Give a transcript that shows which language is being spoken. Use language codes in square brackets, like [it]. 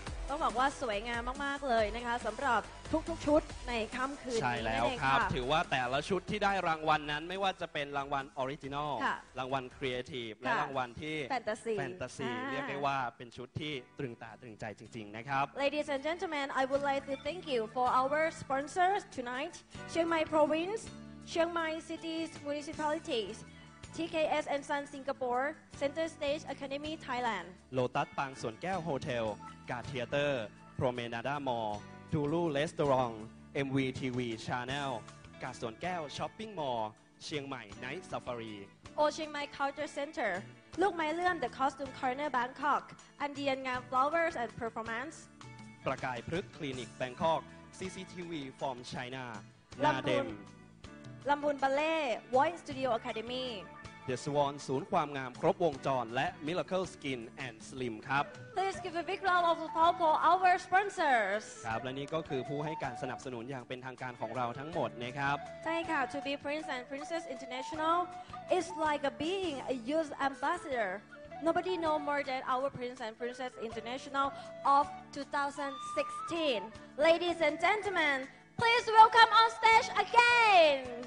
[th] ต้องบอกว่าสวยงามมากๆเลยนะคะสำหรับทุกๆชุดในค่ำคืนนี้ ใช่แล้วครับถือว่าแต่ละชุดที่ได้รางวัล นั้นไม่ว่าจะเป็นรางวัลออริจินอลรางวัลครีเอทีฟและรางวัลที่แฟนตาซี แฟนตาซีเรียกได้ว่าเป็นชุดที่ตรึงตาตรึงใจจริงๆนะครับ [en] Ladies and gentlemen I would like to thank you for our sponsors tonight Chiangmai Province Chiangmai City's Municipalities TKS and Sun Singapore Center Stage Academy Thailand Lotus ปางสวนแก้วโฮเทลกาเทียเตอร์โปรเมนาด้ามอลล์ดูลูเรสตอรองเอ็มวีทีวีชาแนลกาสวนแก้วช้อปปิ้งมอลล์เชียงใหม่ไนท์ซาฟารี โอเชียงใหม่คัลเจอร์เซ็นเตอร์ลูกไม้เลื่อนเดอะคอสตูมคอร์เนอร์แบงคอกอันเดียนงามฟลาวเวอร์สและเพอร์ฟอร์แมนซ์ประกายพฤกษ์คลินิกแบงคอกซีซีทีวีฟอร์มไชน่าน าเดมลำพูนบัลเล่วอยซ์สตูดิโออะคาเดมี่ [th] The Swan ศูนย์ความงามครบวงจรและ Miracle Skin and Slim ครับ [en] Please give a big round of applause for our sponsors [th] ครับและนี่ก็คือผู้ให้การสนับสนุนอย่างเป็นทางการของเราทั้งหมดนะครับ ใช่ค่ะ [en] To be Prince and Princess International is like being a youth ambassador Nobody know more than our Prince and Princess International of 2016 Ladies and gentlemen please welcome on stage again